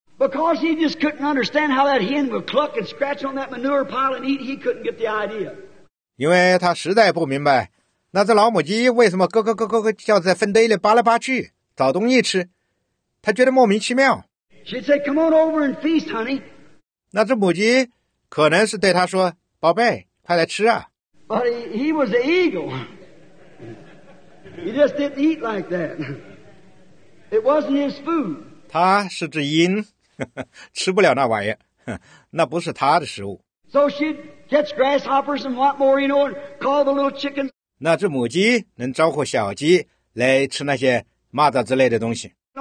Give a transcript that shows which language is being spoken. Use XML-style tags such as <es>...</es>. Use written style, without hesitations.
<en>Because he just couldn't understand how that hen would cluck and scratch on that manure pile and eat, he couldn't get the idea.</en> <zh>因为他实在不明白那只老母鸡为什么咯咯咯咯咯叫在粪堆里扒来扒去找东西吃，他觉得莫名其妙。</zh> <en>She'd say, "Come on over and feast, honey."</en> <zh>那只母鸡可能是对他说：“宝贝，快来吃啊。</zh> <en>”But he was an eagle. He just didn't eat like that. It wasn't his food.</en> <zh>他是只鹰，吃不了那玩意儿，那不是他的食物。</zh> <en>So she'd catch grasshoppers and what more, you know, and call the little chickens.</en> <zh>那只母鸡能招呼小鸡来吃那些蚂蚱之类的东西。</zh>